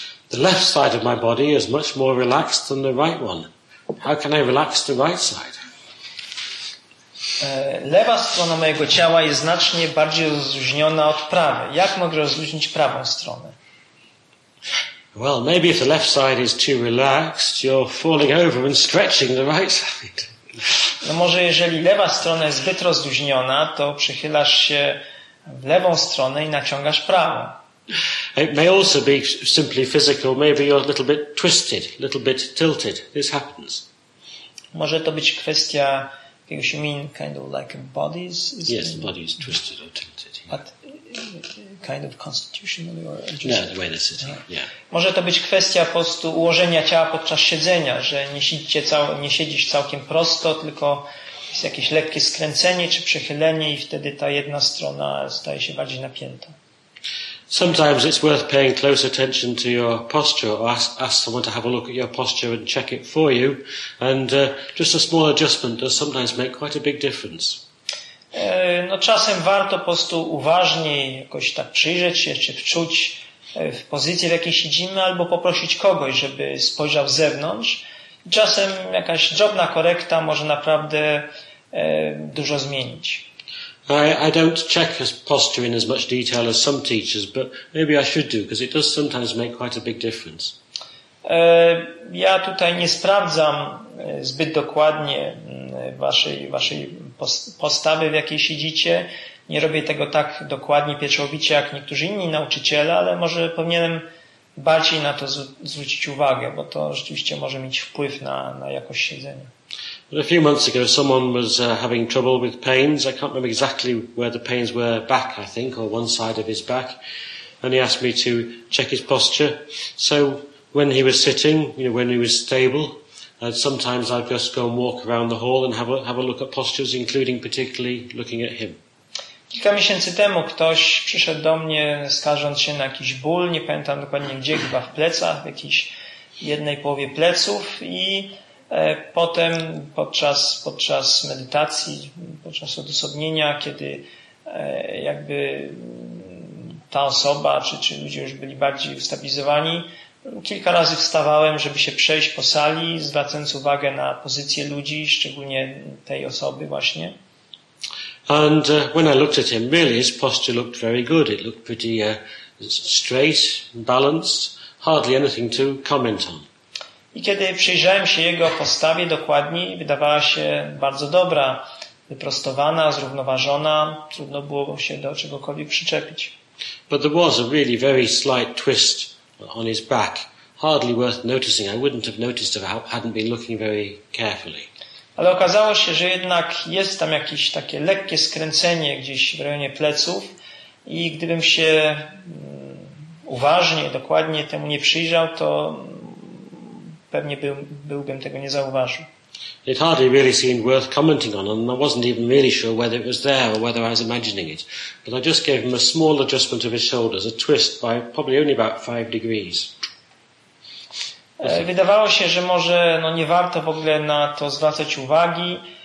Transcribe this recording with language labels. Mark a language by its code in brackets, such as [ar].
[en] The left side of my body is much more relaxed than the right one. How can I relax the right side? [pl] Lewa strona mojego ciała jest znacznie bardziej rozluźniona od prawej. Jak mogę rozluźnić prawą stronę? [en] Well, maybe if the left side is too relaxed, you're falling over and stretching the right side. [pl] No może jeżeli lewa strona jest zbyt rozluźniona, to przychylasz się w lewą stronę i naciągasz prawą. [en] It may also be simply physical. Maybe you're a little bit twisted, a little bit tilted. This happens. [pl] Może to być kwestia, [en] because you mean kind of like bodies? Yes, the body is twisted or tilted. Yeah. But kind of constitutionally or just... No, the way they're sitting, yeah. [pl] Może to być kwestia po prostu ułożenia ciała podczas siedzenia, że nie siedzisz całkiem prosto, tylko jest jakieś lekkie skręcenie czy przechylenie i wtedy ta jedna strona staje się bardziej napięta. [en] Sometimes it's worth paying close attention to your posture, or ask someone to have a look at your posture and check it for you, and just a small adjustment does sometimes make quite a big difference. [pl] No czasem warto po prostu uważniej jakoś tak przyjrzeć się, czy wczuć w pozycję, w jakiej siedzimy, albo poprosić kogoś, żeby spojrzał z zewnątrz. Czasem jakaś drobna korekta może naprawdę dużo zmienić. [en] I don't check his posture in as much detail as some teachers, but maybe I should do, because it does sometimes make quite a big difference. [pl] Ja tutaj nie sprawdzam zbyt dokładnie waszej postawy, w jakiej siedzicie. Nie robię tego tak dokładnie, pieczołowicie, jak niektórzy inni nauczyciele, ale może powinienem bardziej na to zwrócić uwagę, bo to rzeczywiście może mieć wpływ na jakość siedzenia. [en] But a few months ago someone was having trouble with pains. I can't remember exactly where the pains were, back I think, or one side of his back. And he asked me to check his posture. So when he was sitting, you know, when he was stable, sometimes I'd just go and walk around the hall and have a look at postures, including particularly looking at him. [pl] Kilka miesięcy temu ktoś przyszedł do mnie skarżąc się na jakiś ból, nie pamiętam dokładnie gdzie, chyba w plecach, w jakiejś jednej połowie pleców i potem podczas medytacji, podczas odosobnienia, kiedy jakby ta osoba czy ludzie już byli bardziej ustabilizowani, kilka razy wstawałem, żeby się przejść po sali, zwracając uwagę na pozycję ludzi, szczególnie tej osoby właśnie. [en] And when I looked at him, really his posture looked very good. It looked pretty straight, balanced, hardly anything to comment on. [pl] I kiedy przyjrzałem się jego postawie dokładniej, wydawała się bardzo dobra, wyprostowana, zrównoważona. Trudno było się do czegokolwiek przyczepić. [en] But there was a really very slight twist on his back, hardly worth noticing. I wouldn't have noticed if I hadn't been looking very carefully. [pl] Ale okazało się, że jednak jest tam jakieś takie lekkie skręcenie gdzieś w rejonie pleców i gdybym się uważnie, dokładnie temu nie przyjrzał, to pewnie byłbym tego nie zauważył. [en] It hardly really seemed worth commenting on, and I wasn't even really sure whether it was there or whether I was imagining it. But I just gave him a small adjustment of his shoulders, a twist by probably only about 5 degrees. [pl] Wydawało się, że może no, nie warto w ogóle na to zwracać uwagi.